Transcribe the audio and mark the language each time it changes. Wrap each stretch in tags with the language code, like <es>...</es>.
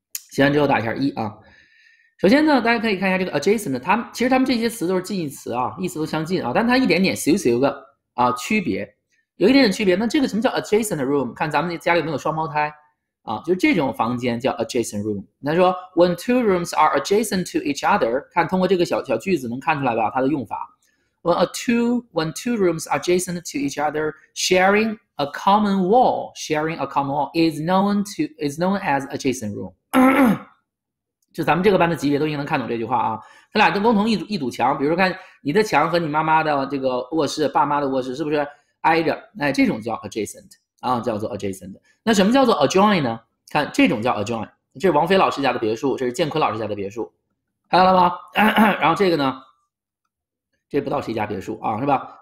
<zh>写完之后打一下一啊。首先呢，大家可以看一下这个 adjacent，它们这些词都是近义词啊，意思都相近啊，但它一点点小小的啊区别，有一点点区别。那这个什么叫 adjacent room？ 看咱们家里有没有双胞胎？啊，就这种房间叫 adjacent room。他说，</zh> <en>When two rooms are adjacent to each other，</en> <zh>看通过这个小小句子能看出来吧，它的用法。</zh> <en>When two rooms are adjacent to each other，sharing a common wall，sharing a common wall is known as adjacent room</en> <zh>就咱们这个班的级别都应该能看懂这句话啊。他俩都共同一堵墙，比如说看你的墙和你妈妈的这个卧室、爸妈的卧室是不是挨着？哎，这种叫 adjacent 啊，叫做 adjacent。那什么叫做 adjoin 呢？看这种叫 adjoin，这是王菲老师家的别墅，这是建坤老师家的别墅，看到了吗？然后这个呢，这不知道谁家别墅啊，是吧？</zh>